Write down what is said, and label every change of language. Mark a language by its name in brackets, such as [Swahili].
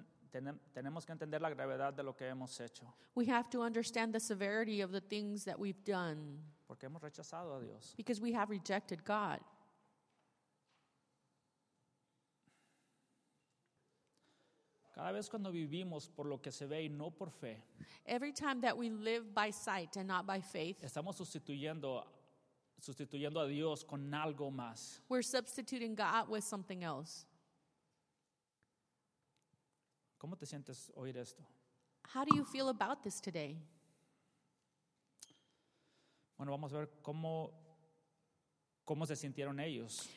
[Spanish] Tenemos que entender la gravedad de lo que hemos hecho. [English] We have to understand the severity of the things that we've done. [Spanish] Porque hemos rechazado a Dios. [English] Because we have rejected God. [Spanish] Cada vez cuando vivimos por lo que se ve y no por fe. [English] Every time that we live by sight and not by faith. [Spanish] Estamos sustituyendo a Dios con algo más. [English] We're substituting God with something else. [Spanish] ¿Cómo te sientes oír esto? [English] How do you feel about this today? [Spanish] Bueno, vamos a ver cómo se sintieron ellos.